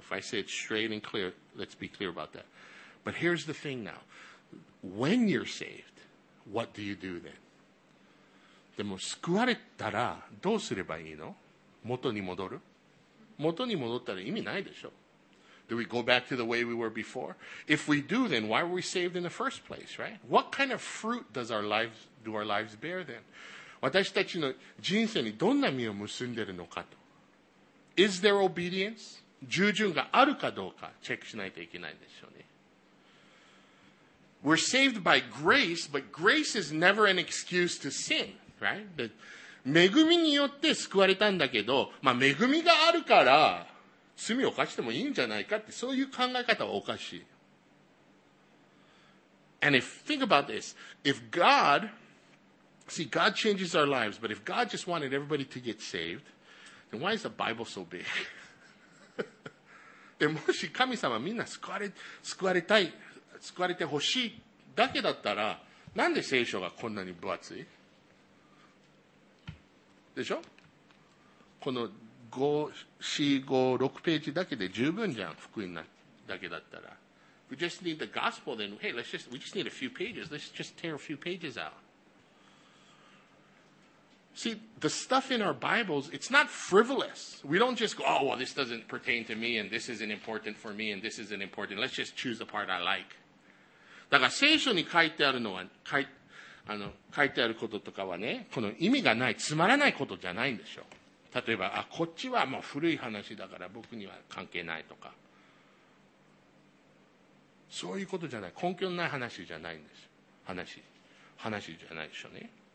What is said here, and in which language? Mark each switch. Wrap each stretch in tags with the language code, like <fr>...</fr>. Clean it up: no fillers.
<en>If I say it straight and clear, let's be clear about that. But here's the thing now. When you're saved, what do you do then?</en> <ja>でも救われたらどうすればいいの？元に戻る？元に戻ったら意味ないでしょ？</ja> <en>Do we go back to the way we were before? If we do, then why were we saved in the first place, right? What kind of fruit do our lives bear then?</en> <ja>私たちの人生にどんな実を結んでいるのかと。</ja> <en>Is there obedience?</en> <ja>従順があるかどうかチェックしないといけないんですよね。</ja> <en>We're saved by grace, but grace is never an excuse to sin, right?</en> <ja>But 恵みによって救われたんだけど、まあ恵みがあるから罪を犯してもいいんじゃないかって、そういう考え方はおかしい。</ja> <en>And if, think about this, if God, see, God changes our lives, but if God just wanted everybody to get saved, then why is the Bible so big?</en> <ja>でもし神様みんな救われてほしいだけだったら、なんで聖書がこんなに分厚いでしょ。この5、4、5、6ページだけで十分じゃん、福音なだけだったら。</ja> <en>We just need the gospel, then, hey, let's just, we just need a few pages. Let's just tear a few pages out. See, the stuff in our Bibles, it's not frivolous. We don't just go, oh, well, this doesn't pertain to me, and this isn't important for me, and this isn't important. Let's just choose the part I like.</en> <ja>だから聖書に書いてあるのは、書いてあることとかはね、この意味がない、つまらないことじゃないんでしょう。例えば、あ、こっちはもう古い話だから僕には関係ないとか。そういうことじゃない。根拠のない話じゃないんです。話じゃないでしょうね。</ja>